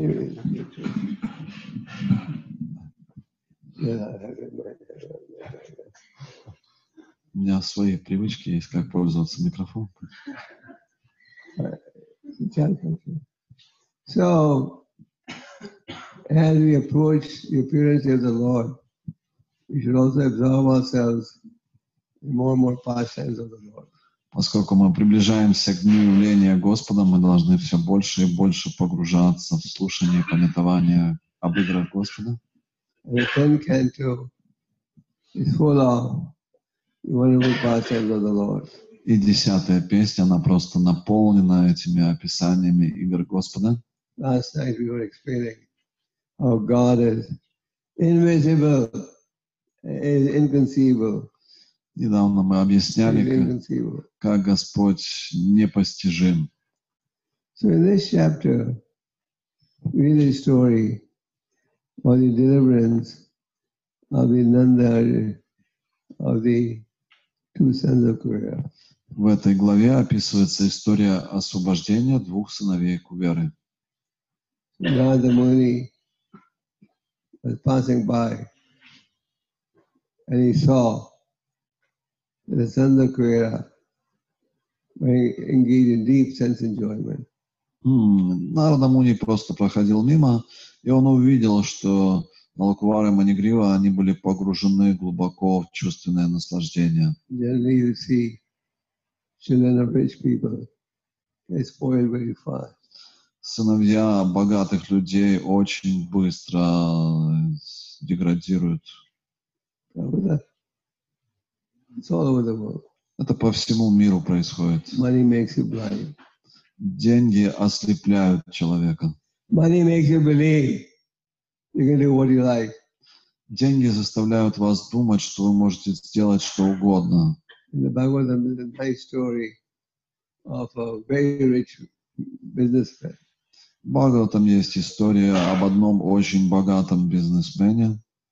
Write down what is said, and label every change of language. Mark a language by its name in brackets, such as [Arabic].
[Russian] У меня свои привычки есть, как пользоваться микрофоном. [English] So, as we approach the appearance of the Lord, we should also absorb ourselves in more and more pastimes of the Lord. [Russian] Поскольку мы приближаемся к дню явления Господа, мы должны все больше и больше погружаться в слушание, памятование об играх Господа. [English] The tenth canto is full of the wonderful pastimes of the Lord. [Russian] И десятая песня, она просто наполнена этими описаниями игр Господа. [English] Last night we were explaining how God is invisible. Is inconceivable. [Russian] Недавно мы объясняли, как Господь непостижим. [English] So in this chapter, really the story of the deliverance of the Nanda of the two sons of Kuvera. [Russian] В этой главе описывается история освобождения двух сыновей Куверы. [English] Radha Muni was passing by. And he saw the sons of Kuvera engaged in deep sense enjoyment. [Russian] Нарада Муни просто проходил мимо, и он увидел, что Налкувара и Манигрива они были погружены глубоко в чувственное наслаждение. [English] Generally, you see children of rich people, they spoil very fast. [Russian] Сыновья богатых людей очень быстро деградируют. [English] It's all over the world. [Russian] Это по всему миру происходит. [English] Money makes you blind. [Russian] Деньги ослепляют человека. [English] Money makes you believe you can do what you like. [Russian] Деньги заставляют вас думать, что вы можете сделать что угодно. [English] In the Bhagavad Gita, a nice story of a very rich businessman. [Russian] В Бхагаватам есть история об одном очень богатом бизнесмене.